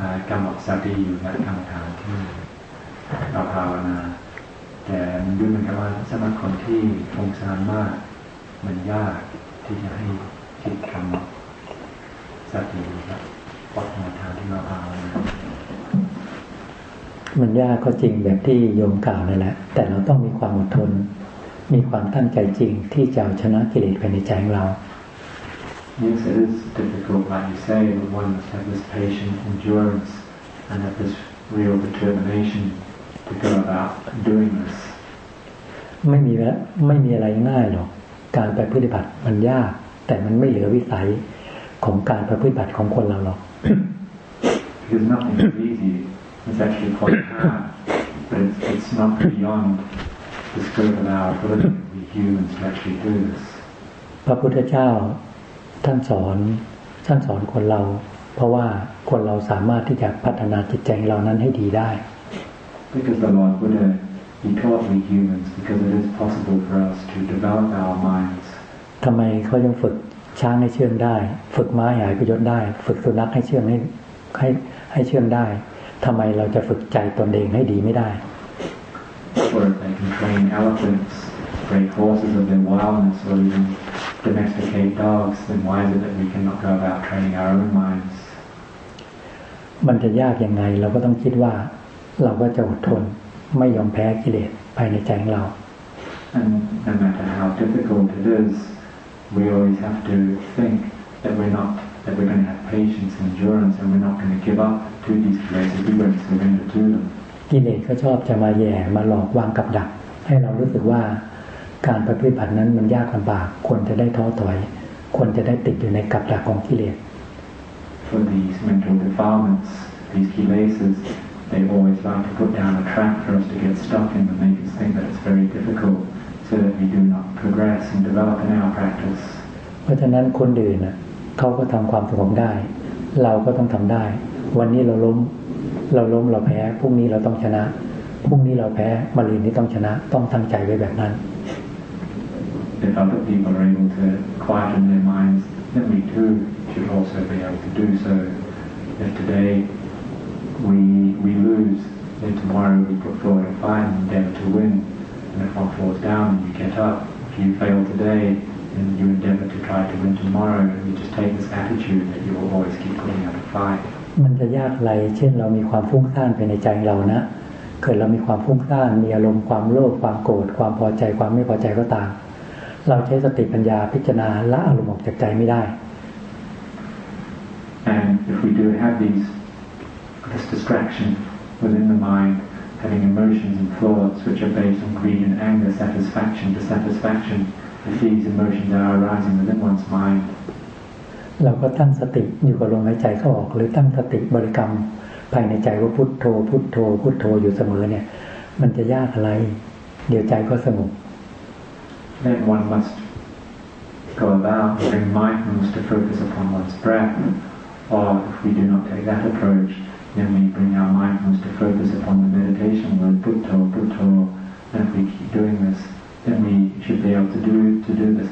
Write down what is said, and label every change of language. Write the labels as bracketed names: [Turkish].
[Thai] กำหนดสติอยู่นะกรรมฐานที่เราภาวนาแต่มันดูเหมือนกับว่าสำหรับคนที่ฟุ้งซ่านมากมันยากที่จะให้คิดกรรมสติอยู่นะกรรมฐานที่เราภาวนามันยากก็จริงแบบที่โยมกล่าวนั่นแหละแต่เราต้องมีความอดทนมีความตั้งใจจริงที่จะเอาชนะกิเลสภายในใจของเรา [English] Yes, it is difficult, like you say, but one must have this patient endurance and have this real determination to go about doing this. [Thai] ไม่มีอะไรง่ายหรอกการไปปฏิบัติมันยากแต่มันไม่เหลือวิสัยของการไปปฏิบัติของคนเราหรอก [English] Because nothing is easy. It's actually quite hard, but it's not beyond the scope of our ability to be humans to actually do this. [Thai] พระพุทธเจ้าท่านสอนคนเราเพราะว่าคนเราสามารถที่จะพัฒนาจิตใจเรานั้นให้ดีได้ [English] Because the Lord Buddha we come up with humans because it is possible for us to develop our minds. [Thai] ทำไมเขายังฝึกช้างให้เชื่องได้ฝึกม้าให้หายพยศได้ฝึกสุนัขให้เชื่องให้เชื่องได้ทำไมเราจะฝึกใจตนเองให้ดีไม่ได้ [English] Or if they can train elephants, train horses of their wildness, or even domesticate dogs, then why is it that we cannot go about training our own minds? [Thai] มันจะยากยังไงเราก็ต้องคิดว่าเราก็จะอดทนไม่ยอมแพ้กิเลสภายในใจของเรา [English] And no matter how difficult it is, we always have to think that we're going to have patience and endurance, and we're not going to give up to these places. We won't surrender to them. [Thai] กิเลสก็ชอบจะมาแย่มาหลอกวางกับดักให้เรารู้สึกว่าการปฏิบัตินั้นมันยากลำบากควรจะได้ท้อถอยควรจะได้ติดอยู่ในกับดักของกิเลส [English] For these mental defilements, these kilesas, they always like to put down a trap for us to get stuck in and make us think that it's very difficult so that we do not progress and develop in our practice. [Thai] เพราะฉะนั้นคนอื่นเขาก็ทำความสงบได้เราก็ต้องทำได้วันนี้เราล้มเราแพ้พรุ่งนี้เราต้องชนะพรุ่งนี้เราแพ้มะรืนนี้ต้องชนะต้องตั้งใจไว้แบบนั้น [English] If other people are able to quieten their minds, then we too should also be able to do so. If today we lose, then tomorrow we put forward a fine endeavor to win. And if one falls down, you get up. If you fail today, then you endeavor to try to win tomorrow. And you just take this attitude that you will always keep putting up a fight. [Thai] มันจะยากอะไรเช่นเรามีความฟุ้งซ่านภายในใจเรานะเกิดเรามีความฟุ้งซ่านมีอารมณ์ความโลภความโกรธความพอใจความไม่พอใจก็ตามเราใช้สติปัญญาพิจารณาละอารมณ์ออกจากใจไม่ได้ [English] And if we do have this distraction within the mind having emotions and thoughts which are based on greed and anger satisfaction dissatisfaction if these emotions are arising within one's mind [Thai] เราก็ตั้งสติอยู่กับลมหายใจเข้าออกหรือตั้งสติบริกรรมภายในใจว่าพุทโธอยู่เสมอเนี่ยมันจะยากอะไรเดี๋ยวใจก็สงบ [English] Then one must go about bring mindfulness to focus upon one's breath. Or if we do not take that approach, then we bring our mindfulness to focus upon the meditation word pūtto. And if we keep doing this, then we should be able to do this.